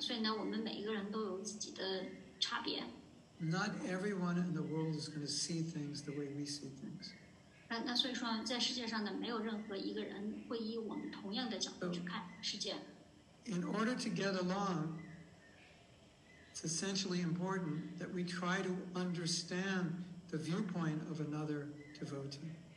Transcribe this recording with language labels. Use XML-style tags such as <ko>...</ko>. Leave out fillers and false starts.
<zh>所以呢，我们每一个人都有自己的差别。</zh> <en>Not everyone in the world is going to see things the way we see things.</en> <zh>那所以说，在世界上呢，没有任何一个人会以我们同样的角度去看世界。</zh> <en>In order to get along, it's essentially important that we try to understand the viewpoint of another devotee.</en>